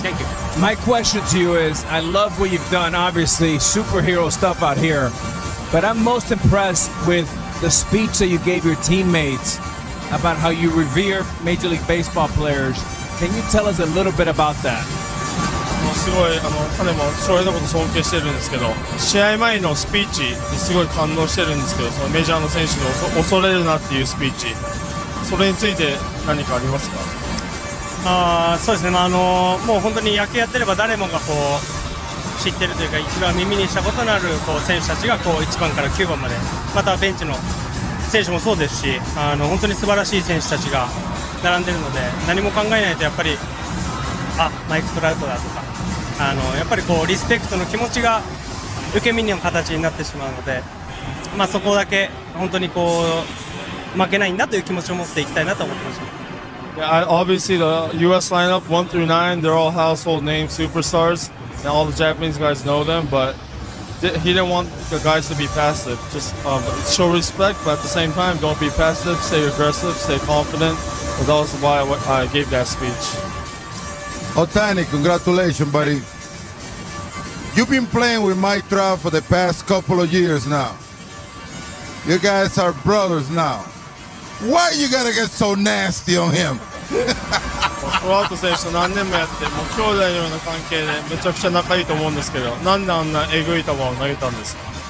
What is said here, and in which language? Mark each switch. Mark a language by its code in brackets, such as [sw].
[en] Thank you. My question to you is, I love what you've done, obviously, superhero stuff out here, but I'm most impressed with the speech that you gave your teammates about how you revere Major League Baseball players. Can you tell us a little bit about that? [ja] すごい彼も翔平のこと尊敬してるんですけど、試合前のスピーチにすごい感動してるんですけど、そのメジャーの選手の恐れるなっていうスピーチ、それについて何かありますか？そうですね、もう本当に野球やってれば誰もがこう知ってるというか、一番耳にしたことのあるこう選手たちがこう1番から9番まで、またベンチの選手もそうですし、本当に素晴らしい選手たちが並んでるので、何も考えないとやっぱり、あ、マイク・トラウトだとか、やっぱりこうリスペクトの気持ちが受け身の形になってしまうので、まあ、そこだけ本当にこう負けないんだという気持ちを持っていきたいなと思ってました。 [en] Yeah, obviously the US lineup 1 through 9, they're all household name superstars and all the Japanese guys know them, but he didn't want the guys to be passive. Just show respect, but at the same time don't be passive, stay aggressive, stay confident. And that was why I gave that speech. Ohtani, congratulations, buddy. You've been playing with Mike Trout for the past couple of years now. You guys are brothers now. Why you gotta get so nasty on him? [ja] トラウト選手と何年もやって、もう兄弟のような関係でめちゃくちゃ仲いいと思うんですけど、なんであんなえぐい球を投げたんですか？